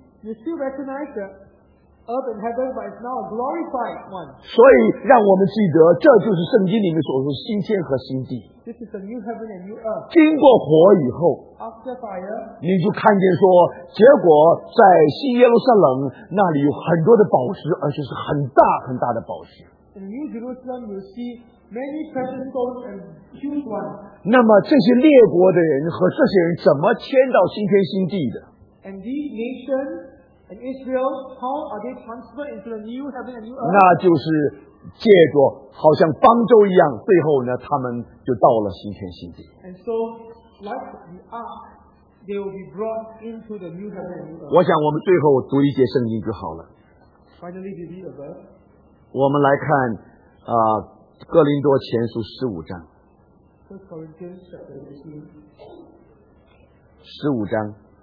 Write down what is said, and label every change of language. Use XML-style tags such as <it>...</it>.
<en>You still recognize the earth and heaven, but it's now a glorified one.</en> <zh>所以让我们记得，这就是圣经里面所说的新天和新地。</zh> <en>This is the new heaven and new earth.</en> <zh>经过火以后，</zh> <en>after fire,</en> <zh>你就看见说，结果在新耶路撒冷那里有很多的宝石，而且是很大很大的宝石。</zh> <en>In new Jerusalem, you see many precious stones and huge ones.</en> <zh>那么这些列国的人和这些人怎么迁到新天新地的？</zh> <en>And these nations and Israel, how are they transferred into the new heaven and new earth?</en> <zh>那就是借着好像方舟一样，最后呢，他们就到了新天新地。</zh> <en>And so, like the ark, they will be brought into the new heaven and new earth.</en> <zh>我想我们最后读一节圣经就好了。</zh> <en>Finally, we read a verse.</en> <zh>我们来看啊，《哥林多前书》十五章。</zh> <en>First Corinthians chapter 15.</en> <zh>十五章。</zh>